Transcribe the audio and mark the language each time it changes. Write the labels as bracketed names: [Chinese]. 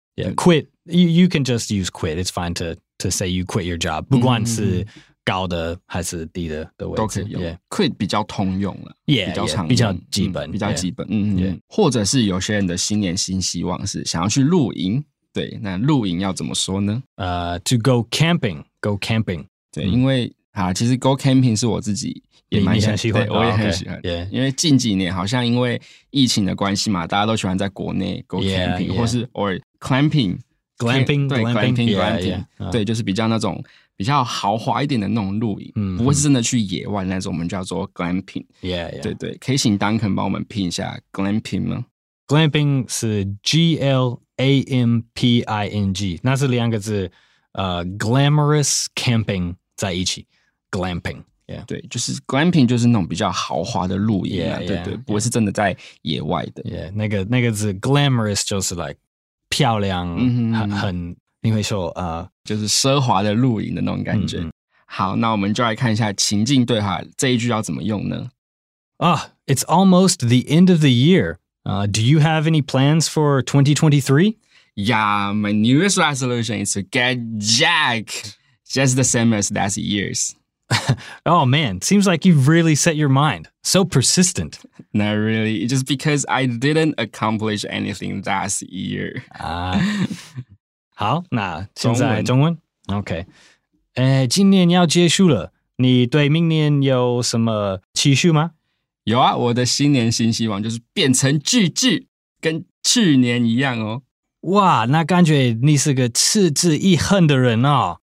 [English] Yeah, quit, you can just use quit, it's fine to say you quit your job, [Chinese] 不管是高的还是低的位置都可以用。Quit 比较通用了。比较基本。或者是有些人的新年新希望是想要去露营。对，那露营要怎么说呢？ [English] To go camping, go camping. [Chinese] 对，因为其实 go camping 是我自己也蛮喜欢。对，我也很喜欢。因为近几年好像因为疫情的关系嘛，大家都喜欢在国内 go camping, 或是 or clampingclamping, 对 clamping, 对，就是比较那种比较豪华一点的那种露营、嗯、不会是真的去野外那种，我们叫做 glamping、 [English] yeah, yeah. [Chinese] 对对，可以请 Duncan 帮我们拼一下 glamping 吗？ glamping 是 glamping， 那是两个字、glamorous camping 在一起 glamping、yeah. 对，就是 glamping 就是那种比较豪华的露营、啊、yeah, yeah, 对对，不会是真的在野外的 yeah, 那个字 glamorous 就是 like漂亮、嗯、很你会说就是奢华的露营的那种感觉、嗯、好，那我们就来看一下情境对话，这一句要怎么用呢？ [English] It's almost the end of the year、Do you have any plans for 2023? Yeah, my newest resolution is to get jacked just the same as last year's. Oh man, seems like you've really set your mind. So persistent. Not really, just because I didn't accomplish anything last year. [Chinese] 好，那现在中文 OK、今年要结束了，你对明年有什么期许吗？有啊，我的新年新希望就是变成巨巨，跟去年一样哦。哇，那感觉你是个持之以恒的人哦。